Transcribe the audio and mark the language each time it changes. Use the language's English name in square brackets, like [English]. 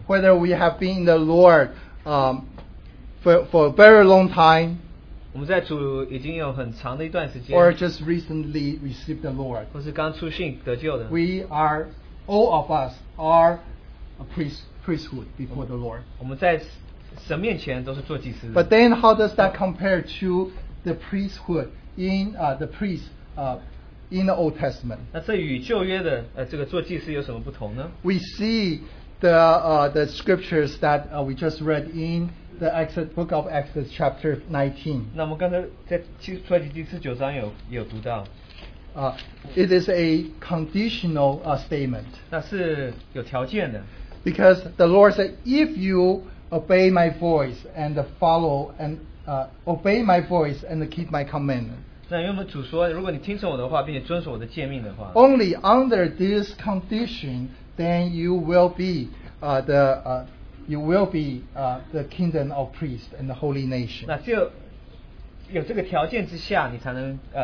[English] whether we have been in the Lord for a very long time, [Chinese] 我们在主已经有很长的一段时间, [English] or just recently received the Lord, [Chinese] 或是刚出信得救的, [English] we are, all of us are a priesthood before the Lord. [Chinese] 我们在神面前都是做祭司的。 [English] But then how does that compare to the priesthood in the priest in the Old Testament? [Chinese] 那这与旧约的, 这个做祭司有什么不同呢? [English] We see the scriptures that we just read in the book of Exodus chapter 19. It is a conditional statement. [Chinese] 那是有条件的。 [English] Because the Lord said, if you obey my voice and follow and obey my voice and keep my commandment, [Chinese] 那因为我们主说，如果你听从我的话，并且遵守我的诫命的话, [English] only under this condition, then you will be the kingdom of priests and the holy nation. [Chinese] 那就有这个条件之下，你才能,